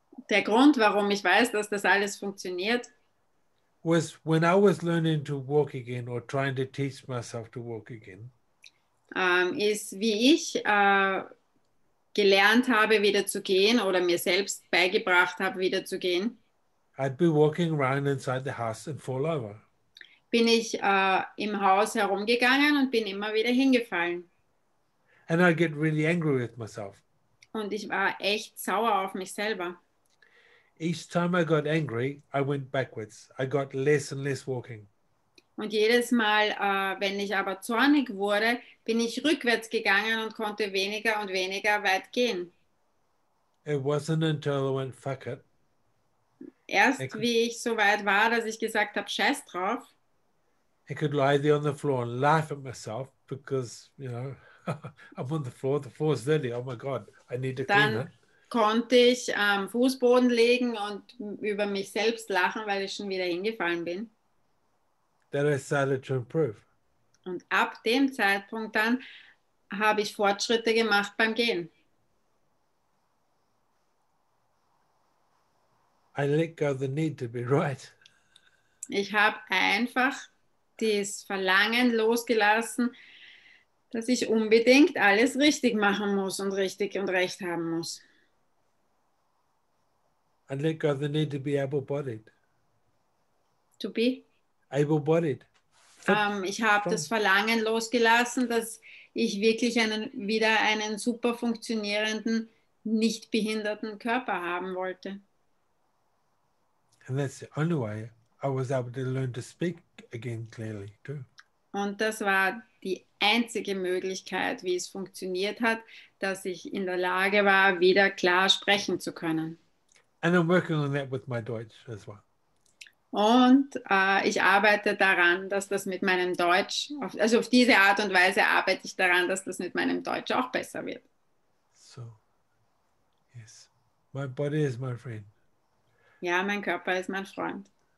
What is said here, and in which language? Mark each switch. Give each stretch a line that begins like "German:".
German: Der Grund, warum ich weiß, dass das alles funktioniert,
English: was when I was learning to walk again or trying to teach myself to walk again,
German: ist, wie ich gelernt habe, wieder zu gehen oder mir selbst beigebracht habe, wieder zu gehen.
English: I'd be walking around inside the house and fall over.
German: Bin ich im Haus herumgegangen und bin immer wieder hingefallen.
English: And I'd get really angry with myself.
German: Und ich war echt sauer auf mich selber.
English: Each time I got angry, I went backwards. I got less and less walking.
German: Und jedes Mal, wenn ich aber zornig wurde, bin ich rückwärts gegangen und konnte weniger und weniger weit gehen.
English: It wasn't until I went, fuck it.
German: Erst wie ich so weit war, dass ich gesagt habe, scheiß drauf.
English: I could lie there on the floor and laugh at myself because, you know, I'm on the floor is dirty, oh my God, I need to clean it.
German: Konnte ich am Fußboden legen und über mich selbst lachen, weil ich schon wieder hingefallen bin.
English: That I started to improve.
German: Und ab dem Zeitpunkt dann habe ich Fortschritte gemacht beim Gehen.
English: I let go of the need to be right.
German: Ich habe einfach das Verlangen losgelassen, dass ich unbedingt alles richtig machen muss und richtig und recht haben muss.
English: I let go of the need to be able-bodied. To be? Able-bodied.
German: Ich habe das Verlangen losgelassen, dass ich wirklich wieder einen super funktionierenden, nicht behinderten Körper haben wollte.
English: And that's the only way I was able to learn to speak again clearly too.
German: Und das war die einzige Möglichkeit, wie es funktioniert hat, dass ich in der Lage war, wieder klar sprechen zu können.
English: And I'm working on that with my Deutsch as well.
German: Und ich arbeite daran, dass das mit meinem Deutsch, also auf diese Art und Weise arbeite ich daran, dass das mit meinem Deutsch auch besser wird.
English: So, yes. My body is my friend.
German: Ja, mein Körper ist mein Freund.